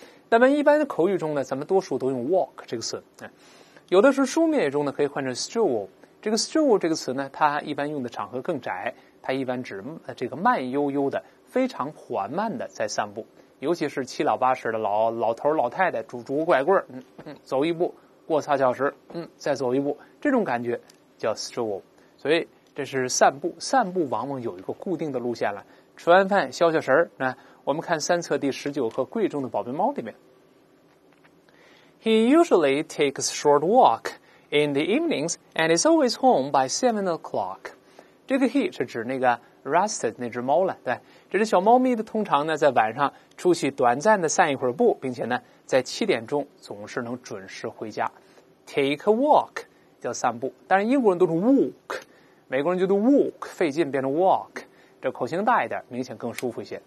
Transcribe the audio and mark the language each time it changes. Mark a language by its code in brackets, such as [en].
[zh] 那么一般的口语中呢，咱们多数都用 walk 这个词。有的时候书面中呢可以换成 stroll， 这个 stroll 这个词呢，它一般用的场合更窄，它一般指这个慢悠悠的、非常缓慢的在散步，尤其是七老八十的老头老太太拄拐棍，走一步过仨小时，再走一步，这种感觉叫 stroll。所以这是散步，散步往往有一个固定的路线了。吃完饭消消神儿，我们看三册第19课《贵重的宝贝猫》里面。 [en] He usually takes short walk in the evenings and is always home by 7 o'clock. [zh] 这个 he 是指那个 Rusted 那只猫了，对，这只小猫咪的通常呢在晚上出去短暂的散一会儿步，并且呢在7点钟总是能准时回家。 [en] Take a walk [zh] 叫散步，但是英国人都是 walk。美国人就读 walk， 费劲变成 walk， 这口型大一点明显更舒服一些。